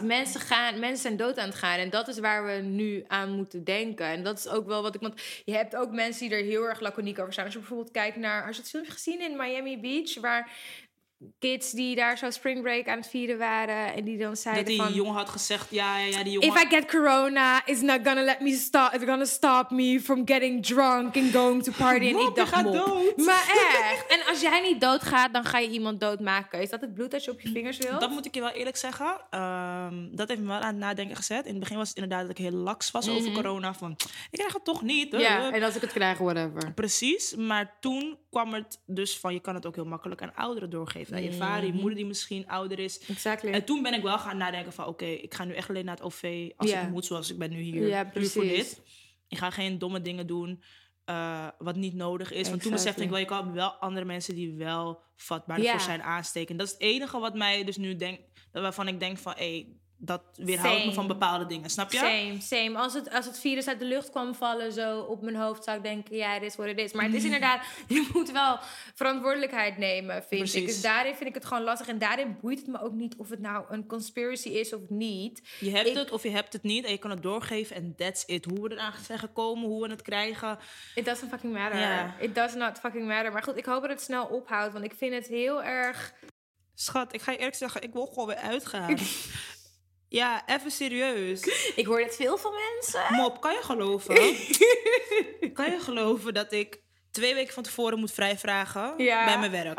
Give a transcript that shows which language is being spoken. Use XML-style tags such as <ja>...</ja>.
<nl>Mensen zijn dood aan het gaan. En dat is waar we nu aan moeten denken. En dat is ook wel wat ik. Want je hebt ook mensen die er heel erg laconiek over zijn. Als je bijvoorbeeld kijkt naar, als je het filmpje gezien in Miami Beach, waar kids die daar zo spring break aan het vieren waren. En die dan zeiden dat die van... Dat die jongen had gezegd, ja, die jongen...</nl> <en>If I get corona, it's not gonna let me stop... It's gonna stop me from getting drunk and going to party.</en> <nl>Mop, en ik dacht, mop. Dood. Maar echt. En als jij niet doodgaat, dan ga je iemand doodmaken. Is dat het bloed dat je op je vingers wilt? Dat moet ik je wel eerlijk zeggen. Dat heeft me wel aan het nadenken gezet. In het begin was het inderdaad dat ik heel laks was over corona. Van, ik krijg het toch niet. Ja, en als ik het krijg,</nl> <en>whatever.</en> <nl>Precies, maar toen kwam het dus van... Je kan het ook heel makkelijk aan ouderen doorgeven. Je vader, je moeder die misschien ouder is.</nl> <en>Exactly.</en> <nl>En toen ben ik wel gaan nadenken van... Oké, ik ga nu echt alleen naar het OV als ik moet. Zoals ik ben nu hier. Ja, precies. Voor dit. Ik ga geen domme dingen doen wat niet nodig is.</nl> <en>Exactly.</en> <nl>Want toen besefte ik wel... Je kan wel andere mensen die wel vatbaar voor zijn aansteken. Dat is het enige wat mij dus nu denk, waarvan ik denk van... dat weerhoudt me van bepaalde dingen. Snap je?</nl> <en>Same.</en> <nl>Als het virus uit de lucht kwam vallen zo op mijn hoofd... zou ik denken, ja, dit is wat het is. Maar het is inderdaad... je moet wel verantwoordelijkheid nemen, vind Precies. ik. Dus daarin vind ik het gewoon lastig. En daarin boeit het me ook niet of het nou een conspiracy is of niet. Je hebt het of je hebt het niet. En je kan het doorgeven en</nl> <en>that's it.</en> <nl>Hoe we eraan zijn gekomen, hoe we het krijgen.</nl> <en>It doesn't fucking matter. Yeah. It does not fucking matter.</en> <nl>Maar goed, ik hoop dat het snel ophoudt. Want ik vind het heel erg... Schat, ik ga je eerlijk zeggen, ik wil gewoon weer uitgaan. Ja, even serieus. Ik hoor het veel van mensen. Mop, kan je geloven? Kan je geloven dat ik 2 weken van tevoren moet vrijvragen bij mijn werk?</nl>